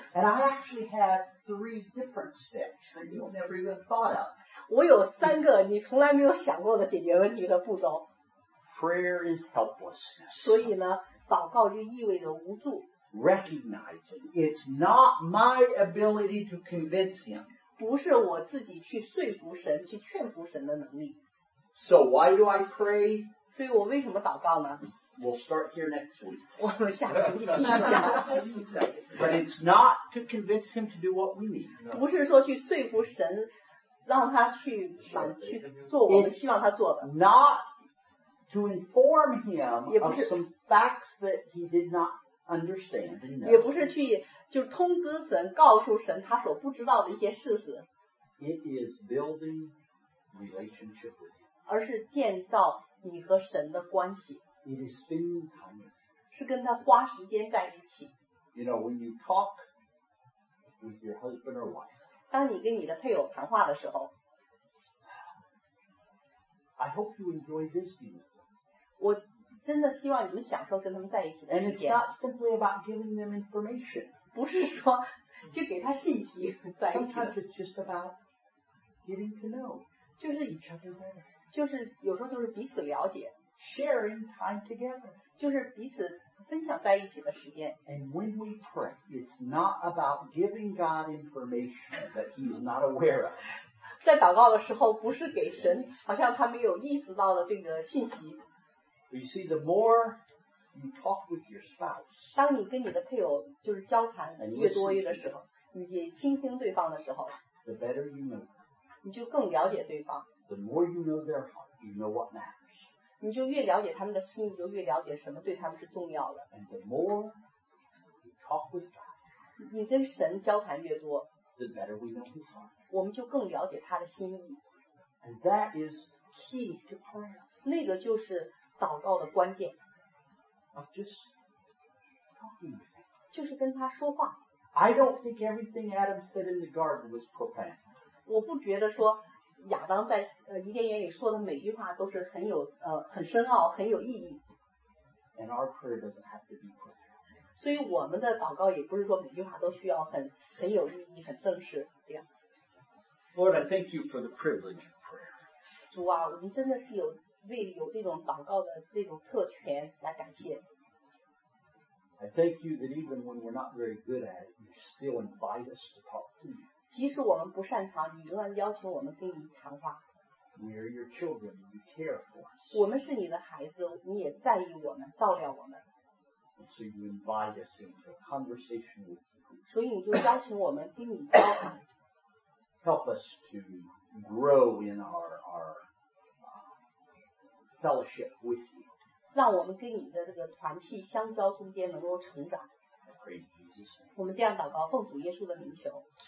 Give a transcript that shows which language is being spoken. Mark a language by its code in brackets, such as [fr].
[en] And I actually had three different steps that you never even thought of. [zh] 我有三个你从来没有想过的解决问题的步骤。 [en] Prayer is helplessness. [zh] 所以呢，祷告就意味着无助。 [en] Recognizing it's not my ability to convince him. [zh] 不是我自己去说服神，去劝服神的能力。 [en] So why do I pray? [zh] 所以我为什么祷告呢？ [en] We'll start here next week. But it's not to convince him to do what we need. [zh] 不是说去说服神，让他去满去做我们希望他做的。 [en] Not to inform him of some facts that he did not understand. [zh] 也不是去就通知神，告诉神他所不知道的一些事实。 [en] It is building relationship with him. [zh] 而是建造你和神的关系。 [en] It is spending time with him. [zh] 是跟他花时间在一起。 [en] You know, when you talk with your husband or wife, [zh] 当你跟你的配偶谈话的时候， [en] I hope you enjoy visiting with them. [zh] 我真的希望你们享受跟他们在一起的时间。 [en] And it's not simply about giving them information. [zh] 不是说就给他信息在一起。 [en] Sometimes it's just about getting to know. [zh] 就是 [en] each other better. [zh] 就是有时候就是彼此了解。 [en] Sharing time together. [zh] 就是彼此分享在一起的时间。 [en] And when we pray, it's not about giving God information that he is not aware of. [zh] 在祷告的时候不是给神好像他没有意识到的这个信息。 [en] You see, the more you talk with your spouse, [zh] 当你跟你的配偶就是交谈越多越的时候，你也倾听对方的时候， [en] the better you know them. [zh] 你就更了解对方。 [en] The more you know their heart, you know what matters. [zh] 你就越了解他们的心，你就越了解什么对他们是重要的。 [en] And the more you talk with God, [zh] 你跟神交谈越多， [en] the better we know his heart. [zh] 我们就更了解他的心意。 [en] And that is key to prayer. [zh] 那个就是祷告的关键。 [en] Of just talking with him. [zh] 就是跟他说话。 [en] I don't think everything Adam said in the garden was profound. [zh] 我不觉得说亚当在伊甸园里说的每句话都是很有很深奥很有意义。 [en] And our prayer doesn't have to be profound. [zh] 所以我们的祷告也不是说每句话都需要很有意义很正式这样。 [en] Lord, I thank you for the privilege of prayer. [zh] 主啊，我们真的是有这种祷告的这种特权来感谢。 [en] I thank you that even when we're not very good at it, you still invite us to talk to you. [zh] 即使我们不擅长，你仍然要求我们跟你谈话。 [en] We are your children, you care for us. [zh] 我们是你的孩子，你也在意我们，照料我们。 [en] And so you invite us into a conversation with you. [zh] 所以你就邀请我们跟你交谈。 [en] Help us to grow in our fellowship with you. [zh] 让我们跟你的这个团契相交中间能够成长。 [en] I pray in Jesus' name. [zh] 我们这样祷告，奉主耶稣的名求。